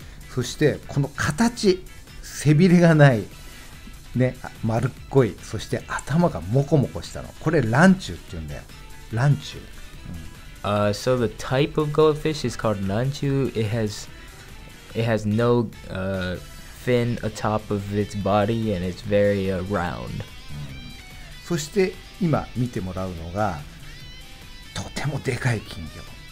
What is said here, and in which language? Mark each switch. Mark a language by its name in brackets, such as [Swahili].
[Japanese] そしてこの形、背びれがないね、丸っこい、そして頭がモコモコしたの、これランチューって言うんだよ、ランチュー。 [English] So the type of goldfish is called Nanchu. It has no fin atop of its body and it's very round. [Japanese] そして今見てもらうのがとてもでかい金魚。